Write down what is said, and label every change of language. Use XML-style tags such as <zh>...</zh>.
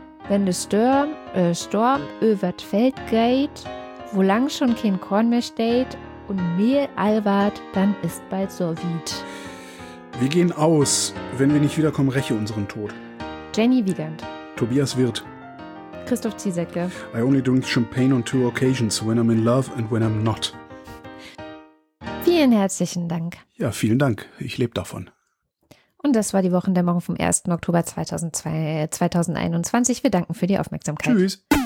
<de>Wenn de Storm övert Feld geht, wo lang schon kein Korn mehr steht und Mehl allwart, dann ist bald Sorvit. Wir gehen aus. Wenn wir nicht wiederkommen, räche unseren Tod. Jenny Wiegand. Tobias Wirth. Christoph Ziesecke.</de> <en>I only drink champagne on two occasions, when I'm in love and when I'm not.</en> <de>Vielen herzlichen Dank. Ja, vielen Dank. Ich lebe davon. Und das war die Wochendämmerung vom 1. Oktober 2021. Wir danken für die Aufmerksamkeit. Tschüss.</de>